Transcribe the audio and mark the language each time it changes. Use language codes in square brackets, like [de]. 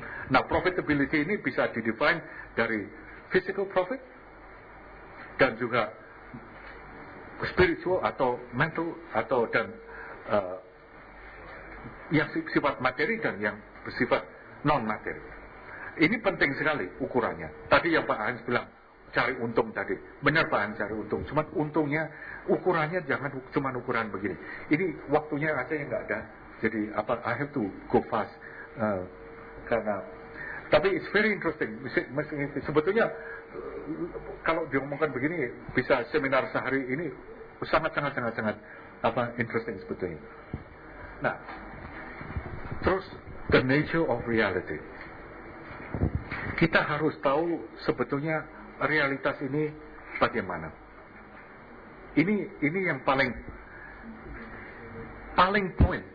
[id] Nah, profitability ini bisa didefine dari physical profit dan juga spiritual atau mental atau dan yang sifat materi dan yang bersifat non materi. Ini penting sekali ukurannya. Tadi yang Pak Hans bilang cari untung tadi. Benar Pak, cari untung. Cuma untungnya, ukurannya jangan cuma ukuran begini. Ini waktunya aja yang gak ada. Jadi apa, [en] I have to go fast. [id] Karena, tapi [en] it's very interesting. [id] Sebetulnya, kalau diomongkan begini, bisa seminar sehari ini, sangat-sangat-sangat-sangat apa interesting sebetulnya. Nah, terus [en] the nature of reality. [id] Kita harus tahu sebetulnya realitas ini bagaimana. Ini yang paling point.